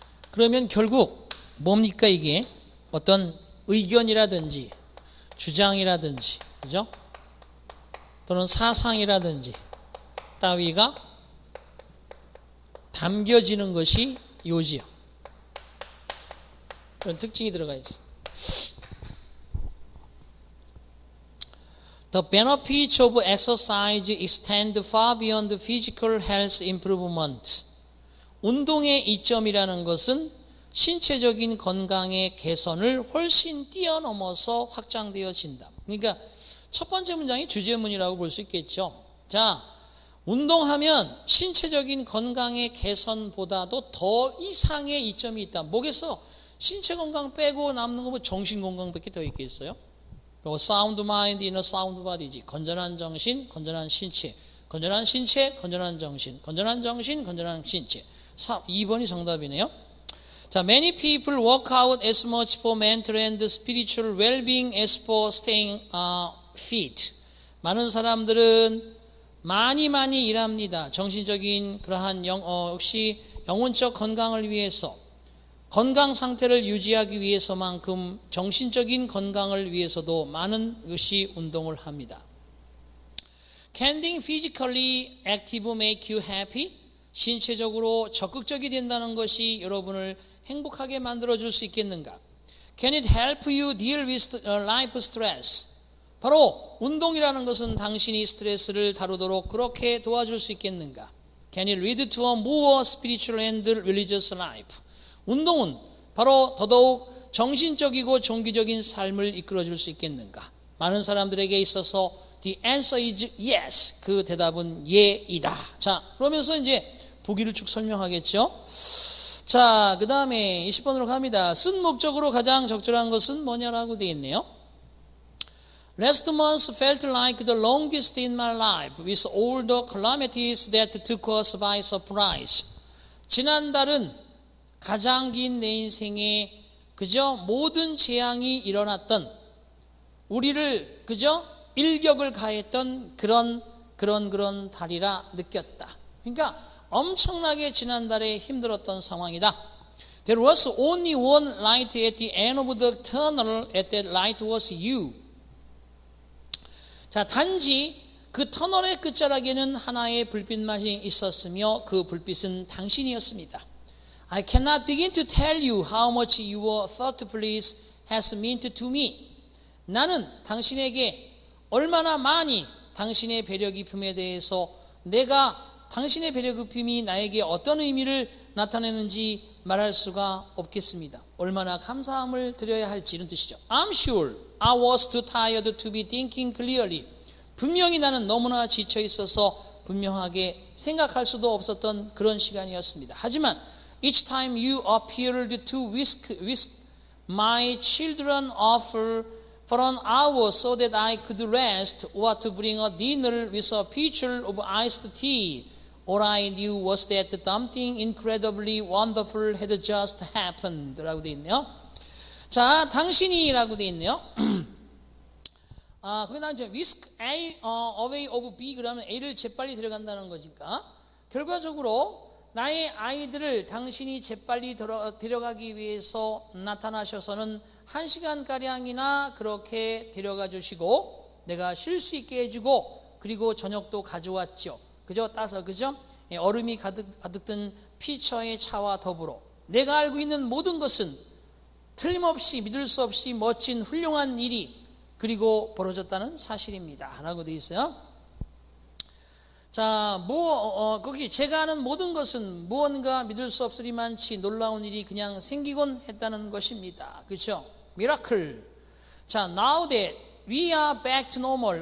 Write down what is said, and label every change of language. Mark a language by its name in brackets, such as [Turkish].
[Korean] 그러면 결국 뭡니까 이게? 어떤 의견이라든지 주장이라든지 그죠? 또는 사상이라든지 따위가 담겨지는 것이 요지요. 그런 특징이 들어가 있어. [English] The benefits of exercise extend far beyond physical health improvement. [Korean] 운동의 이점이라는 것은 신체적인 건강의 개선을 훨씬 뛰어넘어서 확장되어진다. 그러니까 첫 번째 문장이 주제문이라고 볼 수 있겠죠. 자, 운동하면 신체적인 건강의 개선보다도 더 이상의 이점이 있다. 뭐겠어? 신체 건강 빼고 남는 거 뭐 정신 건강밖에 더 있겠어요? 그리고 [English] sound mind in a sound body지. [Korean] 건전한 정신, 건전한 신체. 건전한 신체, 건전한 정신. 건전한 정신, 건전한 신체. 2번이 정답이네요. 자, [English] many people work out as much for mental and spiritual well-being as for staying fit. [Korean] 많은 사람들은 많이 많이 일합니다. 정신적인 그러한 역시 영혼적 건강을 위해서 건강 상태를 유지하기 위해서만큼 정신적인 건강을 위해서도 많은 역시 운동을 합니다. [English] Can being physically active make you happy? [Korean] 신체적으로 적극적이 된다는 것이 여러분을 행복하게 만들어줄 수 있겠는가? [English] Can it help you deal with life stress? [Korean] 바로 운동이라는 것은 당신이 스트레스를 다루도록 그렇게 도와줄 수 있겠는가? [English] Can it lead to a more spiritual and religious life? [Korean] 운동은 바로 더더욱 정신적이고 종교적인 삶을 이끌어줄 수 있겠는가? 많은 사람들에게 있어서 [English] the answer is yes. [Korean] 그 대답은 예이다. 자, 그러면서 이제 보기를 쭉 설명하겠죠. 자, 그 다음에 20번으로 갑니다. 쓴 목적으로 가장 적절한 것은 뭐냐라고 되어 있네요. [English] Last month felt like the longest in my life with all the calamities that took us by surprise. [Korean] 지난달은 가장 긴 내 인생에 그저 모든 재앙이 일어났던 우리를 그저 일격을 가했던 그런 달이라 느꼈다. 그러니까 엄청나게 지난달에 힘들었던 상황이다. [English] There was only one light at the end of the tunnel and that light was you. [Korean] 자, 단지 그 터널의 끝자락에는 하나의 불빛만이 있었으며 그 불빛은 당신이었습니다. [English] I cannot begin to tell you how much your thought please has meant to me. [Korean] 나는 당신에게 얼마나 많이 당신의 배려기품에 대해서 내가 당신의 배려기품이 나에게 어떤 의미를 나타내는지 말할 수가 없겠습니다. 얼마나 감사함을 드려야 할지 이런 뜻이죠. [English] I'm sure. I was too tired to be thinking clearly. [Korean] 분명히 나는 너무나 지쳐 있어서 분명하게 생각할 수도 없었던 그런 시간이었습니다. 하지만 [English] each time you appeared to whisk my children off for an hour so that I could rest or to bring a dinner with a pitcher of iced tea, all I knew was that something incredibly wonderful had just happened. [Korean] 라고 되어 있네요. 자, 당신이라고 되어 있네요. 아, 그게 나왔죠. [English] Whisk A away of B [Korean] 그러면 A를 재빨리 데려간다는 거니까 결과적으로 나의 아이들을 당신이 재빨리 데려가기 위해서 나타나셔서는 한 시간가량이나 그렇게 데려가 주시고 내가 쉴 수 있게 해주고 그리고 저녁도 가져왔죠. 그죠? 따서 그죠? 예, 얼음이 가득 든 피처의 차와 더불어 내가 알고 있는 모든 것은 틀림없이 믿을 수 없이 멋진 훌륭한 일이 그리고 벌어졌다는 사실입니다. 라고 되어 있어요. 자, 거기 제가 아는 모든 것은 무언가 믿을 수 없으리만치 놀라운 일이 그냥 생기곤 했다는 것입니다. 그렇죠? Miracle. 자, [English] now that we are back to normal.